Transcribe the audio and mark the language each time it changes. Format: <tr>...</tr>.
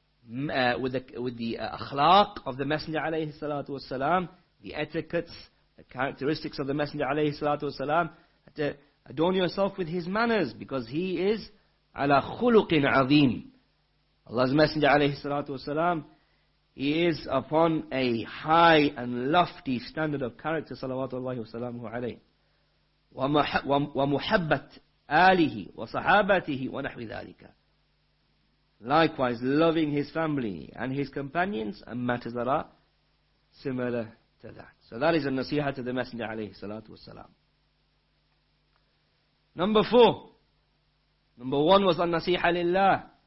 <en>akhlaq of the Messenger عليه الصلاة والسلام, the etiquettes, the characteristics of the Messenger عليه الصلاة والسلام, to adorn yourself with his manners, because he is</en> <ar>على خلق عظيم.</ar> <en>Allah's Messenger عليه الصلاة والسلام, he is upon a high and lofty standard of character,</en> <ar>صلوات الله وسلامه عليه. ومحبة آله وصحابته ونحو ذلك.</ar> <en>Likewise, loving his family and his companions and matters that are similar to that. So that is a nasiha to the Messenger عليه الصلاة والسلام. Number four. Number one was an-nasiha لله.</en>